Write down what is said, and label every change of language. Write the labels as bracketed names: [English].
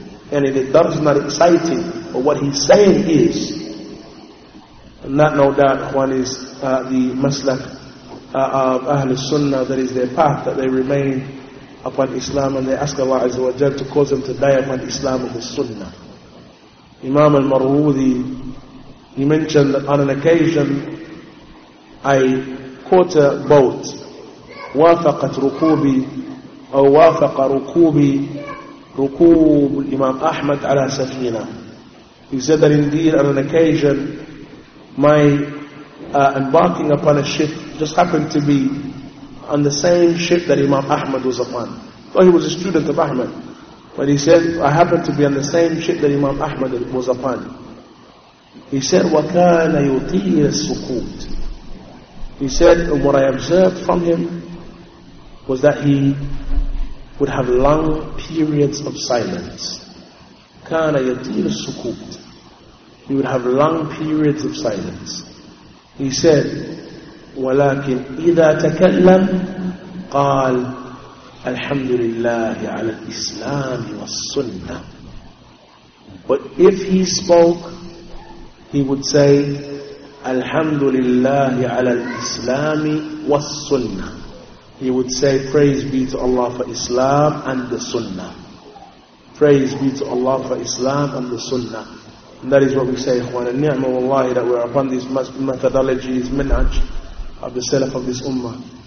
[English] And if the dars is not exciting, but what he's saying is, and that no doubt, one is the maslak of Ahl Sunnah, that is their path, that they remain upon Islam, and they ask Allah Azza wa Jal to cause them to die upon Islam and the Sunnah. Imam al-Marwudi, he mentioned that on an occasion, I caught a boat. [Arabic] وافقت ركوبي أو وافق ركوبي ركوب Imam Ahmad على سفينة. [English] He said that indeed on an occasion, my embarking upon a ship just happened to be on the same ship that Imam Ahmad was upon. Though he was a student of Ahmad. But he said, I happened to be on the same ship that Imam Ahmad was upon. He said, [Arabic] وَكَانَ يُطِيرَ السُّكُوتِ. [English] He said, and what I observed from him was that he would have long periods of silence. [Arabic] كَانَ يُطِيرَ السُّكُوتِ. [English] He would have long periods of silence. He said, [Arabic] وَلَكِنْ إِذَا تَكَلَّمْ قَالْ الْحَمْدُ لِلَّهِ عَلَى الْإِسْلَامِ وَالسُّنَّةِ. [English] But if he spoke, he would say, [Arabic] الْحَمْدُ لِلَّهِ عَلَى الْإِسْلَامِ وَالسُّنَّةِ. [English] He would say, praise be to Allah for Islam and the Sunnah. Praise be to Allah for Islam and the Sunnah. And that is what we say, [Arabic] إِخْوَانَ النِّعْمَ وَاللَّهِ, [English] that we are upon this methodology, this manhaj of the Salaf of this Ummah.